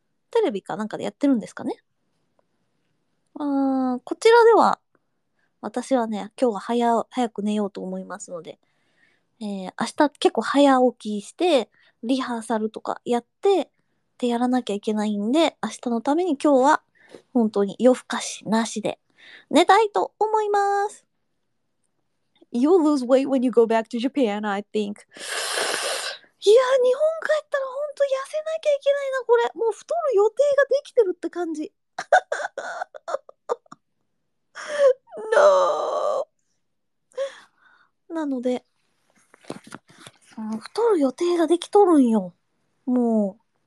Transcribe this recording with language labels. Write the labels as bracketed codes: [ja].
[ja] テレビかなんかでやってるんですかね。こちらでは、私はね、今日は早く寝ようと思いますので、明日結構早起きして、リハーサルとかやって、ってやらなきゃいけないんで、明日のために今日は、本当に夜更かしなしで、寝たいと思います。 [en] You'll lose weight when you go back to Japan, I think. [ja] いや、日本帰ったら本当痩せなきゃいけないな、これ。もう太る予定ができてるって感じ。 [en] No! [ja] なので、太る予定ができとるんよ。もう。